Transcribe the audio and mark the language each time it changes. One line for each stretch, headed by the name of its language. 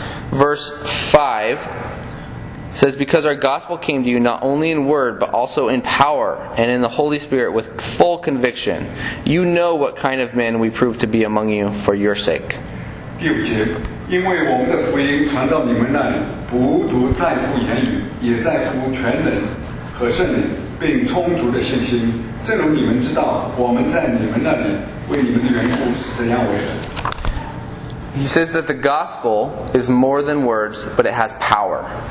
English: Verse 5 says, because our gospel came to you not only in word, but also in power and in the Holy Spirit with full conviction. You know what kind of men we prove to be among you for your sake.
Chinese: 第五节, 因为我们的福音传到你们那里, 不独在乎言语, 也在乎全能和圣灵, 并充足的信心, 正如你们知道, 我们在你们那里, 为你们的缘故是怎样为的?
English: He says that the gospel is more than words, but it has power.